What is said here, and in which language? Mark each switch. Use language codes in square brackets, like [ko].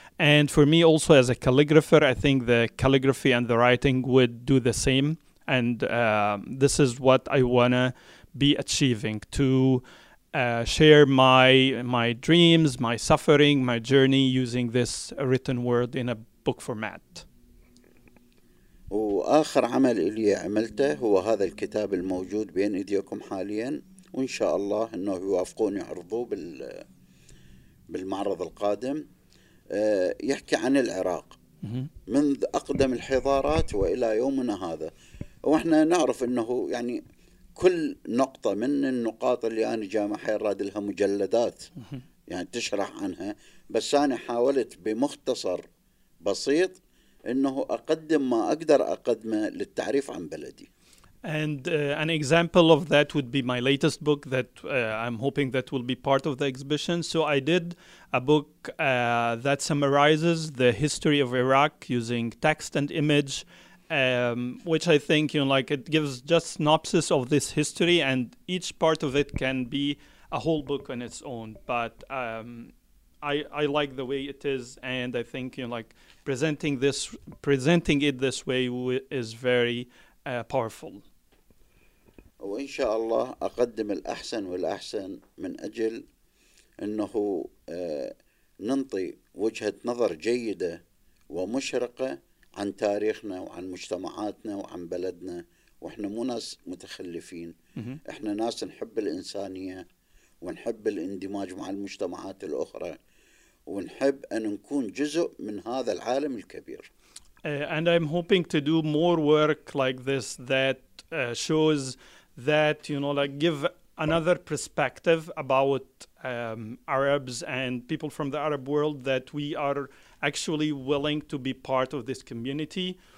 [en] And for me also as a calligrapher, I think the calligraphy and the writing would do the same. And this is what I wanna be achieving, to share my dreams, my suffering, my journey using this written word in a book format. [ar] وآخر عمل إلي عملته هو هذا الكتاب الموجود بين إيديكم حاليا وإن شاء الله أنه يوافقون يعرضوه بالمعرض القادم يحكي عن العراق منذ أقدم الحضارات وإلى يومنا هذا وإحنا نعرف أنه يعني كل نقطة من النقاط اللي أنا جامعها يراد لها مجلدات يعني تشرح عنها بس أنا حاولت بمختصر بسيط إنه أقدم ما أقدر أقدمه للتعريف عن بلدي. [en] And an example of that would be my latest book that I'm hoping that will be part of the exhibition. So I did a book that summarizes the history of Iraq using text and image, which I think, you know, like it gives just synopsis of this history, and each part of it can be a whole book on its own. But I like the way it is, and I think, you know, like presenting it this way is very powerful. [ar] وإن شاء الله أقدم الأحسن والأحسن من أجل أنه ننطي وجهة نظر جيدة ومشرقة عن تاريخنا وعن مجتمعاتنا وعن بلدنا وإحنا مو ناس متخلفين إحنا ناس نحب الإنسانية ونحب الاندماج مع المجتمعات الأخرى ونحب أن نكون جزء من هذا العالم الكبير. [en] And I'm hoping to do more work like this that shows that, you know, like give another perspective about Arabs and people from the Arab world, that we are actually willing to be part of this community.